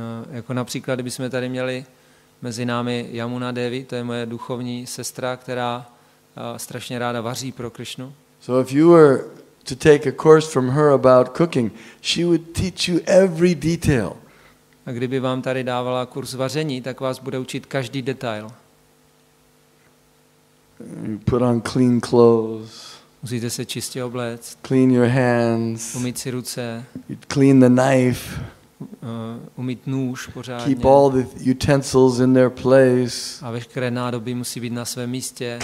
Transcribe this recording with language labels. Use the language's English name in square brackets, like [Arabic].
[Czech] Jako například, kdybychom tady měli mezi námi Yamuna Devi, to je moje duchovní sestra, která strašně ráda vaří pro Krishnu. [English] So if you were to take a course from her about cooking, she would teach you every detail. [Czech] A kdyby vám tady dávala kurz vaření, tak vás bude učit každý detail. [English] You put on clean clothes. [Czech] Musíte se čistě obléct. [English] Clean your hands. [Czech] Umýt si ruce. [English] You'd clean the knife. [Czech] Umýt nůž pořádně. [English] Keep all the utensils in their place. [Czech] A veškeré nádoby musí být na svém místě.